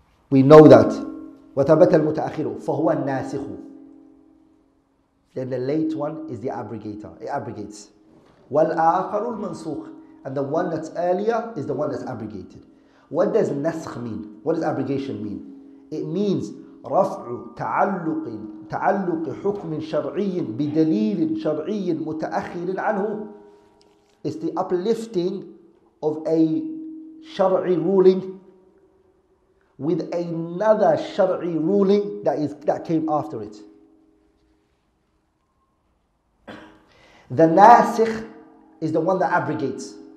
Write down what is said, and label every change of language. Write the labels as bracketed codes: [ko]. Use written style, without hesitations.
[en] We know that. [ar] وَثَبَتَ الْمُتَأَخِرُ فَهُوَ النَّاسِخُ. [en] Then the late one is the abrogator. It abrogates. [ar] وَالْآخَرُ الْمَنْسُخُ. [en] And the one that's earlier is the one that's abrogated. What does نَسْخ mean? What does abrogation mean? It means [ar] رفع تعلق حكم شرعي بدليل شرعي متأخر عنه. [en] It's the uplifting of a شرعي ruling with another شرعي ruling that came after it. The ناسخ is the one that abrogates.